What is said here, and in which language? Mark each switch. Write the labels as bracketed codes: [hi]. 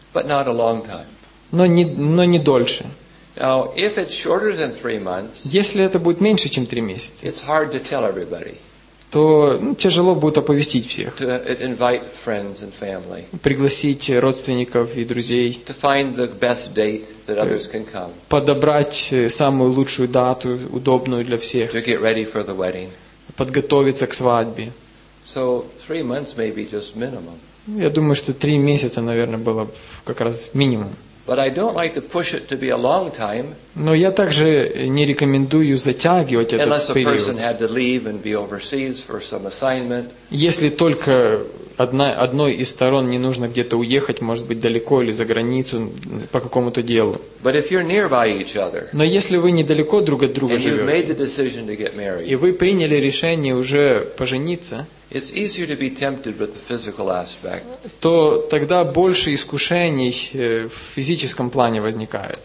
[en] But not a long time. [ru] Но не дольше. [en] Now, if it's shorter than 3 months, [ru] если это будет меньше чем 3 месяца, [en] it's hard to tell everybody. [ru] То тяжело будет оповестить всех. [en] To invite friends and family. [ru] Пригласить родственников и друзей. [en] To find the best date that others can come. [ru] Подобрать самую лучшую дату, удобную для всех. [en] To get ready for the wedding. [ru] Подготовиться к свадьбе. [en] So 3 months may be just minimum. [ru] Я думаю, что 3 месяца, наверное, было как раз минимум. [en] But I don't like to push it to be a long time. [ru] Но я также не рекомендую затягивать этот [en] unless [ru] период. [en] Unless a person had to leave and be overseas for some assignment. [ru] Если только одной из сторон не нужно где-то уехать, может быть, далеко или за границу по какому-то делу. [en] But if you're nearby each other. [ru] Но если вы недалеко друг от друга живете. [en] And you've made the decision to get married. [ru] И вы приняли решение уже пожениться. [en] It's easier to be tempted with the physical aspect. [ru] То тогда больше искушений в физическом плане возникает.